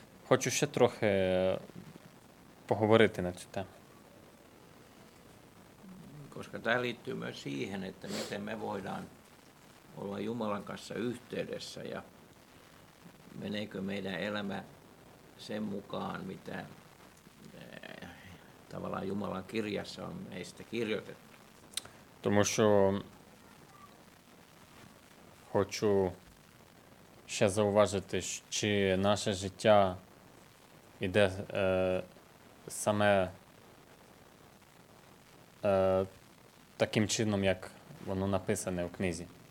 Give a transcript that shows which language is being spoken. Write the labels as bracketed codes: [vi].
[uk] Хочу ще трохи поговорити на цю тему. [fi] Koska tämä liittyy myös siihen, että miten me voidaan olla Jumalan kanssa yhteydessä ja meneekö meidän elämä sen mukaan, mitä tavallaan Jumalan kirjassa on meistä kirjoitettu. [uk] Тому що хочу ще зауважити, чи наше життя іде саме таким чином, як воно написане у книзі.